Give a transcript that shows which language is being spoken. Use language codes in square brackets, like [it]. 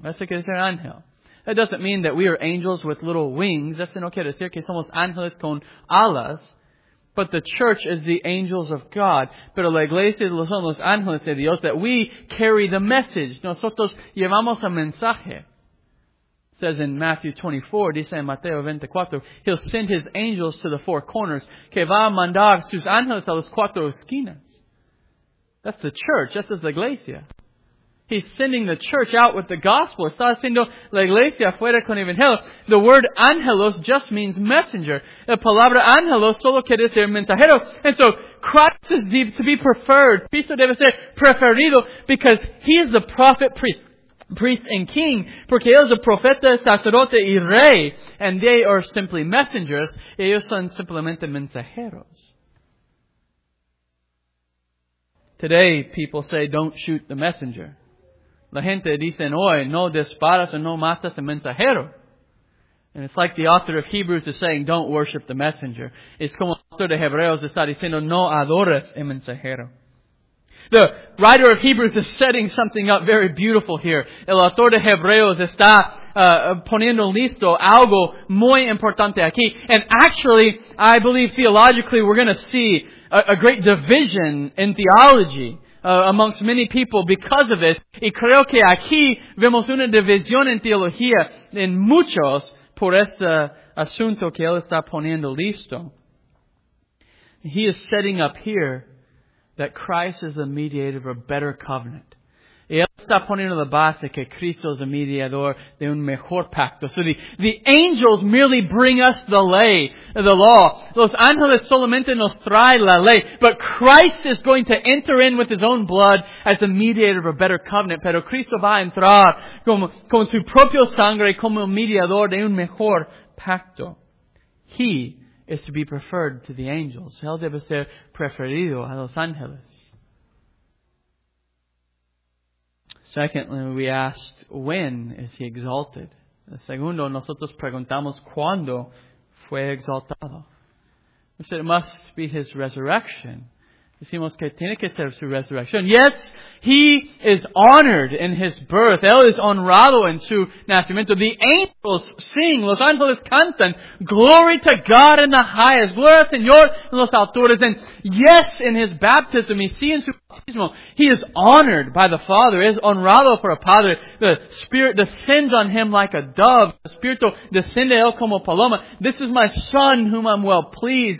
[en] That's what it says, angel. That doesn't mean that we are angels with little wings. [es] Eso no quiere decir que somos ángeles con alas. [en] But the church is the angels of God. [es] Pero la iglesia son los ángeles de Dios, [en] that we carry the message. [es] Nosotros llevamos el mensaje. [en] Says in Matthew 24, [es] dice en Mateo 24, [en] He'll send His angels to the four corners, [es] que va a mandar sus ángeles a las cuatro esquinas. [en] That's the church. That's the iglesia. He's sending the church out with the gospel. [es] Está haciendo la iglesia fuera con el evangelio. [en] The word angelos just means messenger. [es] La palabra angelos solo quiere decir mensajero. [en] And so, Christ is to be preferred. [es] Cristo debe ser preferido [en] because He is the prophet, priest and king. [es] Porque él es el profeta, sacerdote y rey. [en] And they are simply messengers. [es] Ellos son simplemente mensajeros. [en] Today, people say, don't shoot the messenger. [es] La gente dice hoy, no disparas o no matas el mensajero. [en] And it's like the author of Hebrews is saying, don't worship the messenger. [es] Es como el autor de Hebreos está diciendo, no adores el mensajero. [en] The writer of Hebrews is setting something up very beautiful here. [es] El autor de Hebreos está poniendo listo algo muy importante aquí. [en] And actually, I believe theologically we're going to see a great division in theology. Amongst many people because of this. [es] Y creo que aquí vemos una división en teología en muchos por ese asunto que él está poniendo listo. [en] He is setting up here that Christ is the mediator of a better covenant. [es] Y él está poniendo la base que Cristo es el mediador de un mejor pacto. [en] So the angels merely bring us the ley, the law. [es] Los ángeles solamente nos trae la ley. [en] But Christ is going to enter in with His own blood as a mediator of a better covenant. [es] Pero Cristo va a entrar con su propio sangre como mediador de un mejor pacto. [en] He is to be preferred to the angels. [es] Él debe ser preferido a los ángeles. [en] Secondly, we asked, when is He exalted? [es] Segundo, nosotros preguntamos, ¿cuándo fue exaltado? [en] We said, it must be His resurrection. [es] Decimos que tiene que ser su resurrección. [en] Yes, He is honored in His birth. [es] Él es honrado en su nacimiento. [en] The angels sing, [es] los ángeles cantan, [en] glory to God in the highest, [es] gloria al Señor en los alturas. [en] And yes, in His baptism, [es] y sí en su bautismo, [en] He is honored by the Father, [es] es honrado por el Padre. [en] The Spirit descends on Him like a dove. [es] El Espíritu desciende a Él como paloma. [en] This is my Son whom I'm well pleased.